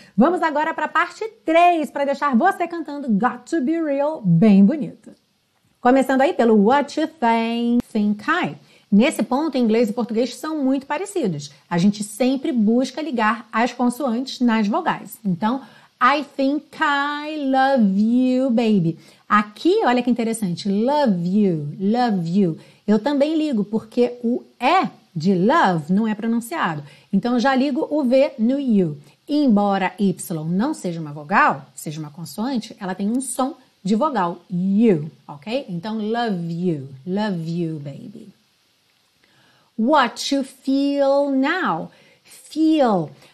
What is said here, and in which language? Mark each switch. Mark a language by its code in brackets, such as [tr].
[pt] Vamos agora para a parte 3, para deixar você cantando Got to Be Real bem bonito. Começando aí pelo [en] What You Think I. [pt] Nesse ponto, inglês e português são muito parecidos. A gente sempre busca ligar as consoantes nas vogais. Então, [en] I think I love you, baby. [pt] Aqui, olha que interessante, [en] love you, love you. [pt] Eu também ligo, porque o E de love não é pronunciado. Então, eu já ligo o V no you. Embora Y não seja uma vogal, seja uma consoante, ela tem um som de vogal, you, ok? Então, [en] love you, baby. What you feel now? Feel.